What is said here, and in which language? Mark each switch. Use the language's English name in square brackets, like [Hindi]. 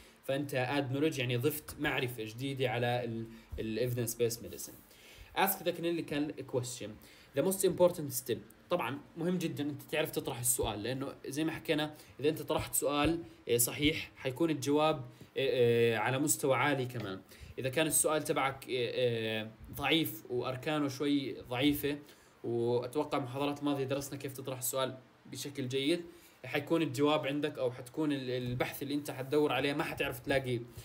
[Arabic] فانت ادنولوج يعني ضفت معرفه جديده على الايفيدنس بيس ميديسن. [English] Ask the clinical question. The most important step. [Arabic] طبعا مهم جدا انت تعرف تطرح السؤال لانه زي ما حكينا اذا انت طرحت سؤال صحيح حيكون الجواب على مستوى عالي كمان. اذا كان السؤال تبعك ضعيف واركانه شوي ضعيفة واتوقع محاضرات الماضية درسنا كيف تطرح السؤال بشكل جيد حيكون الجواب عندك او حتكون البحث اللي انت حتدور عليه ما حتعرف تلاقي